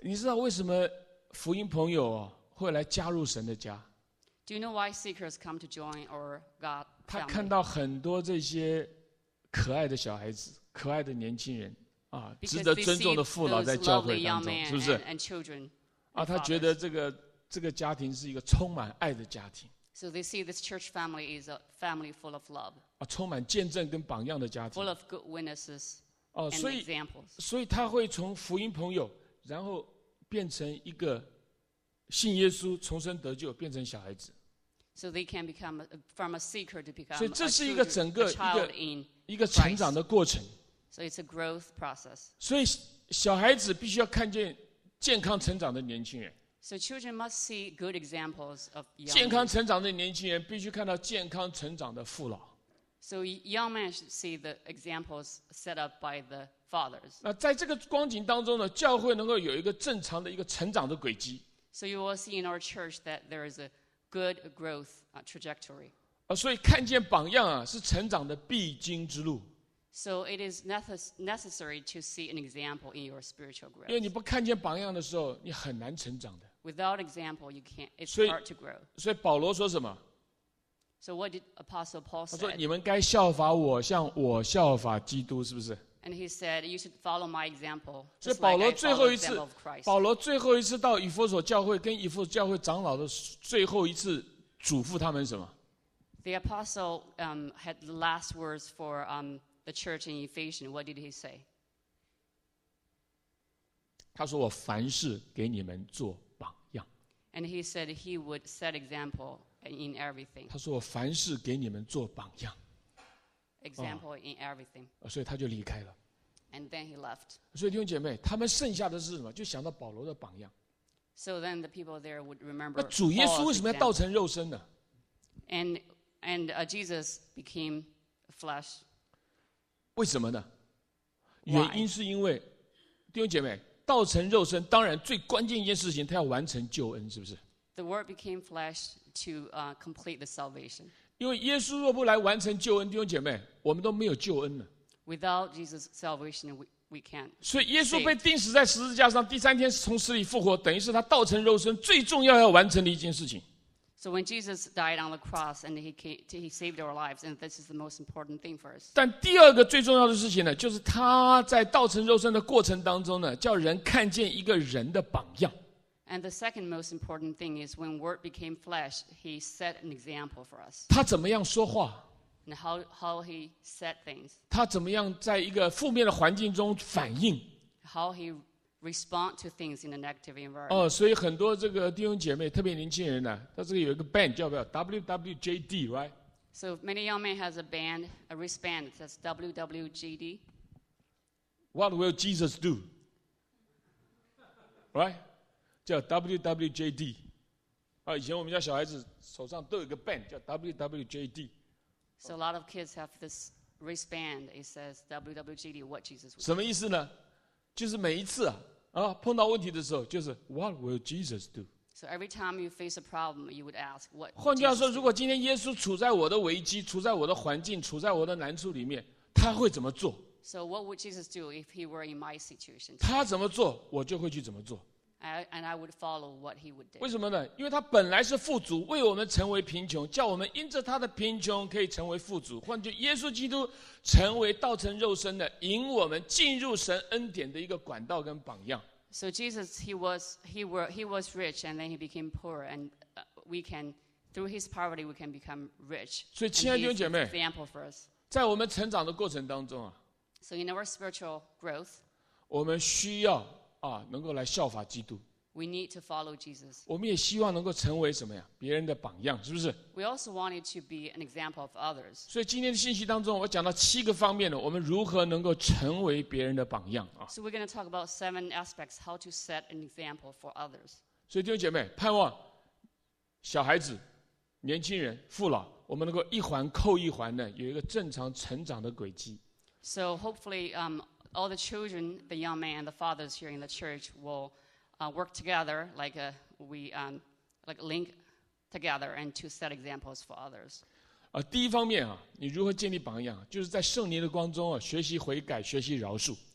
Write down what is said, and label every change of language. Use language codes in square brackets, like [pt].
[zh] 你知道为什么福音朋友会来加入神的家？ [en] Do you know why seekers come to join or God? [zh] 他看到很多这些可爱的小孩子、可爱的年轻人啊，值得尊重的父老在教会当中，是不是？ [en] And children. [zh] 他觉得这个家庭是一个充满爱的家庭。 [en] So they see this church family is a family full of love. [zh] 充满见证跟榜样的家庭。 [en] Full of good witnesses. [zh] 所以他会从福音朋友，然后变成一个信耶稣、重生得救，变成小孩子。 [en] So they can become from a seeker to become. [zh] 所以这是一个整个一个成长的过程。 [en] So it's a growth process. [zh] 所以小孩子必须要看见健康成长的年轻人。 [en] So children must see good examples of young. [zh] 健康成长的年轻人必须看到健康成长的父老。 [en] So young men should see the examples set up by the fathers. [zh] 那在这个光景当中呢，教会能够有一个正常的一个成长的轨迹。 [en] So you will see in our church that there is a good growth trajectory. [zh] 所以看见榜样是成长的必经之路。 [en] So it is necessary to see an example in your spiritual growth. [zh] 因为你不看见榜样的时候，你很难成长的。 [en] Without example, you can't. It's hard to grow. [zh] 所以保罗说什么？ [en] So what did Apostle Paul say? [zh] 他说：“你们该效法我，像我效法基督，是不是？” [en] And he said, "You should follow my example." [zh] 所以保罗最后一次，保罗最后一次到以弗所教会，跟以弗所教会长老的最后一次嘱咐他们什么 [en] ？The apostle had the last words for the church in Ephesians. What did he say? [zh] 他说：“我凡事给你们做榜样。” [en] And he said he would set example. In everything. [zh] 他说我凡事给你们做榜样。 [en] Example in everything. [zh] 所以他就离开了。 [en] And then he left. [zh] 所以弟兄姐妹，他们剩下的是什么？就想到保罗的榜样。 [en] So then the people there would remember. [zh] 那主耶稣为什么要道成肉身呢？ [en] And Jesus became flesh. [zh] 为什么呢？ [en] Why? [zh] 原因是因为弟兄姐妹，道成肉身，当然最关键一件事情，他要完成救恩，是不是？ [en] The word became flesh to complete the salvation. [zh] 因为耶稣若不来完成救恩，弟兄姐妹，我们都没有救恩了。 [en] Without Jesus' salvation, we can't. [zh] 所以耶稣被钉死在十字架上，第三天从死里复活，等于是他道成肉身最重要要完成的一件事情。 [en] So when Jesus died on the cross and he saved our lives, and this is the most important thing for us. [zh] 但第二个最重要的事情呢，就是他在道成肉身的过程当中呢，叫人看见一个人的榜样。 [en] And the second most important thing is when word became flesh, he set an example for us. [zh] 他怎么样说话？ [en] And how he said things. [zh] 他怎么样在一个负面的环境中反应？ [en] How he respond to things in a negative environment. [zh] 所以很多这个弟兄姐妹，特别年轻人呢，他这个有一个 band 叫不叫 WWJD, right? [en] So many young men has a band, a wristband that says WWJD. What will Jesus do? Right? 叫 WWJD. [zh] 以前我们家小孩子手上都有一个 band 叫 WWJD. [en] So a lot of kids have this wristband. It says WWJD, what Jesus will do. [zh] 什么意思呢？就是每一次碰到问题的时候，就是 [en] What will Jesus do? So every time you face a problem, you would ask what. [zh] 换句话说，如果今天耶稣处在我的危机、处在我的环境、处在我的难处里面，他会怎么做 [en] ？So what would Jesus do if he were in my situation? [zh] 他怎么做，我就会去怎么做。 [en] And I would follow what he would do. [zh] 为什么呢？因为他本来是富足，为我们成为贫穷，叫我们因着他的贫穷可以成为富足。换句，耶稣基督成为道成肉身的，引我们进入神恩典的一个管道跟榜样。 [en] So Jesus, he was rich, and then he became poor, and we can through his poverty we can become rich. [zh] So, 亲爱的弟兄姐妹 [en] ，example for us. [zh] 在我们成长的过程当中 [en] So in our spiritual growth, [zh] 我们需要能够来效法基督。 [en] We need to follow Jesus. [zh] 我们也希望能够成为什么呀？别人的榜样，是不是 [en] ？We also wanted to be an example of others. [zh] 所以今天的信息当中，我讲到七个方面的，我们如何能够成为别人的榜样啊 [en] ？So we're going to talk about seven aspects how to set an example for others. [zh] 所以弟兄姐妹，盼望小孩子、年轻人、父老，我们能够一环扣一环的有一个正常成长的轨迹。 [en] So hopefully, all the children, the young men, and the fathers here in the church will. Work together like we link together and to set examples for others. [zh] 第一方面你如何建立榜样？就是在圣灵的光中学习悔改，学习饶恕。